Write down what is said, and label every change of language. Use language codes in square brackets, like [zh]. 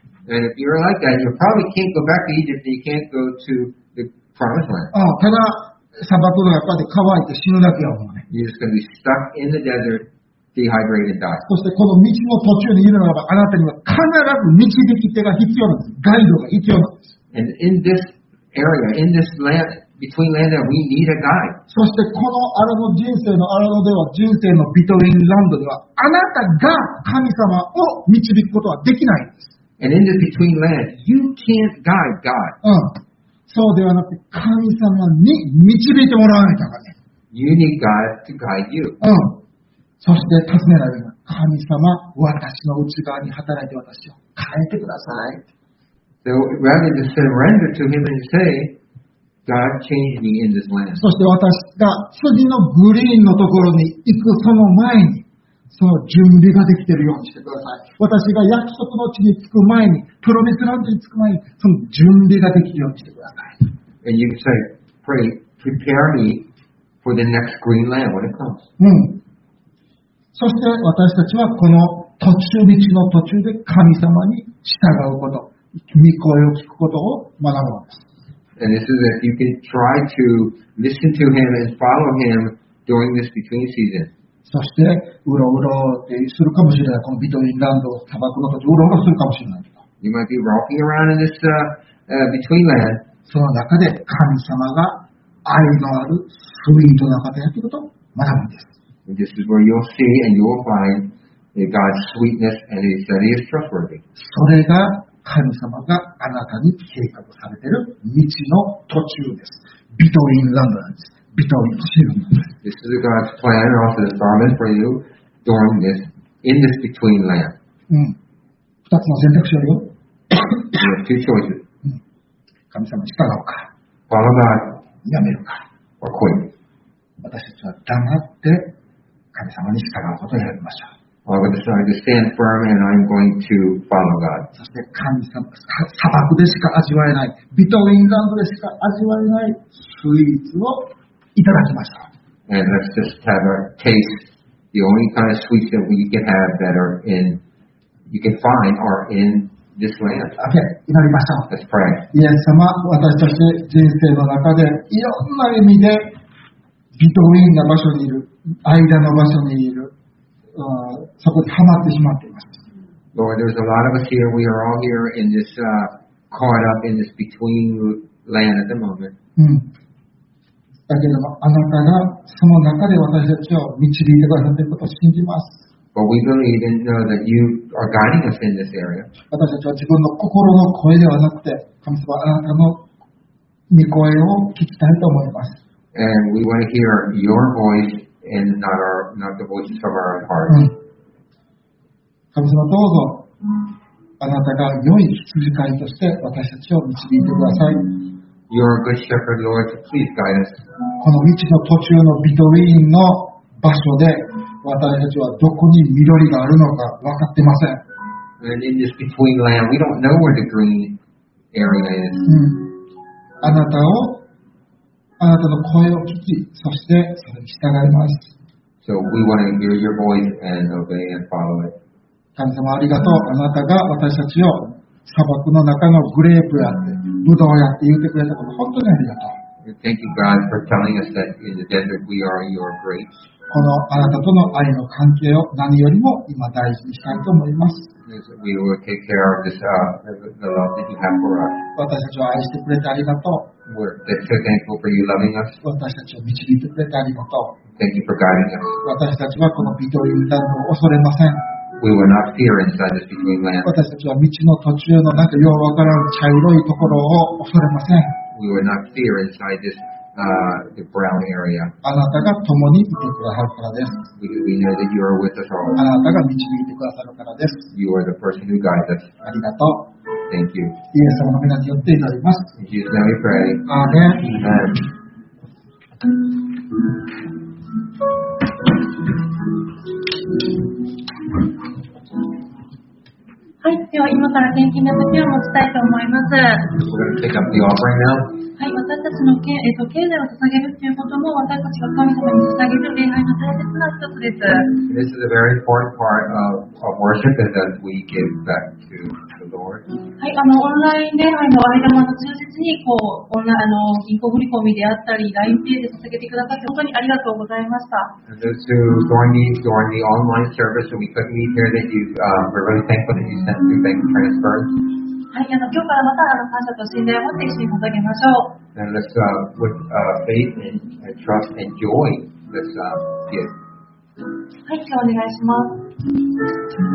[en] And if you're like that, you probably can't go back to Egypt and you can't go to the promised land. [ja] Oh, ただ砂漠の中で乾いて死ぬだけやもんね。 [en] You're just going to be stuck in the desert. Dehydrated die. [ja] そしてこの道の途中にいるならばあなたには必ず導き手が必要なんです。ガイドが必要なんです。 [en] And in this area, in this land, between land, we need a guide. [ja] そしてこの荒野人生の荒野では人生のビトウィンランドではあなたが神様を導くことはできないんです。 [en] And in this between land, you can't guide God. [ja] うん。そうではなくて神様に導いてもらわないとね。 [en] You need God to guide you. [ja] うん。そして尋ねられる神様、私の内側に働いて私を変えてください。 [en] So rather than surrender to him and say, God change me in this land. [ja] そして私が次のグリーンのところに行くその前に、その準備ができているようにしてください。私が約束の地に着く前に、プロミスランドに着く前に、その準備ができるようにしてください。 [en] And you say, pray, prepare me for the next green land when it comes. [ja] うん。そして私たちはこの途中道の途中で神様に従うこと、御声を聞くことを学ぶんです。 [en] And this is if you can try to listen to him and follow him during this between season. [ja] そしてうろうろってするかもしれない。このビトウィンランド、砂漠の途中、うろうろするかもしれない。 [en] You might be walking around in this between land. [ja] その中で神様が愛のあるスイートな方やということを学ぶんです。 [en] This is where you'll see and you'll find God's sweetness and He said He is trustworthy. [ja] それが神様があなたに計画されている道の途中です。ビトリンランドです。ビトリンシルです。 [en] This is God's plan and also the promise for you during this, in this between land. [ja] うん。二つの選択肢あるよ。 [en] You have two choices. [ja] 神様に従うか。 [en] Follow God. [ja] やめるか。 [en] Or quit. [ja] 私たちは黙って神様に従うことになりました。 [en] I'm going to try to stand firm and I'm going to follow God. [ja] そして神様、砂漠でしか味わえない、ビトウィンランドでしか味わえないスイーツをいただきました。 [en] And let's just have a taste. The only kind of sweets that we can have that are in, you can find are in this land. [ja] Okay, 祈りましょう。 [en] Let's pray. [ja] イエス様、私たち人生の中でいろんな意味でビトウィンな場所にいる、間の場所にいる、そこにハマってしまっています。 [en] Lord, there's a lot of us here. We are all here in this, caught up in this between land at the moment. [ja] だけども、あなたがその中で私たちを導いてくださっていることを信じます。 [en] But we believe and know that you are guiding us in this area. [ja] 私たちは自分の心の声ではなくて、神様あなたの御声を聞きたいと思います。 [en] And we want to hear your voice and not our, not the voices of our own hearts. [ja] 神様どうぞ、あなたが良い羊飼いとして私たちを導いてください。 [en] You're a good shepherd, Lord, so please guide us. [ja] この道の途中のビトウィーンの場所で私たちはどこに緑があるのか分かってません。 [en] And in this between land, we don't know where the green area is. [ja] あなたの声を聞き、そしてそれに従います。 [en] So we want to hear your voice and obey and follow it. [ja] 神様ありがとう。あなたが私たちを砂漠の中のグレープやって、ブドウやって言ってくれたこと、本当にありがとう。 [en] Thank you, God, for telling us that in the desert we are your grapes. [ja] このあなたとの愛の関係を何よりも今大事にしたいと思います。 [en] We will take care of this, the love that you have for us. [ja] 私たちを愛してくれてありがとう。 [en] We're so thankful for you loving us. [ja] 私たちを導いてくれてありがとう。 [en] Thank you for guiding us. [ja] 私たちはこのビトウィンランドを恐れません。 [en] We will not fear inside this between land. [ja] 私たちは道の途中のなんかよう分からん茶色いところを恐れません。 [en] We will not fear inside this, the brown area. [ja] あなたが共にいてくださるからです。 [en] We know that you are with us all. [ja] あなたが導いてくださるからです。 [en] You are the person who guides us. [ja] ありがとう。 [en] Thank you. [ja] イエス様の皆によって祈ります。 [en] In Jesus' name we pray. [ja] アーメン。 [en] Amen. [ja] はい、では今から献金の時を持ちたいと思います。はい、私たちの経済を捧げるということも私たちが神様に捧げる礼拝の大切な一つです。 [en] This is a very important part of worship that we give back to the Lord. [ja] はい、オンライン礼拝の間も忠実にこうオンライン銀行振込であったり LINE Pay で捧げてくださって本当にありがとうございました。 [en] And those who joined the online service that we couldn't meet here, that you, we're really thankful that you sent through bank transfers. [ja] はい、今日からまた感謝と信頼を持って一緒に捧げましょう。 [en] Then let's with faith and trust and joy, let's give. [ja] はい、今日お願いします。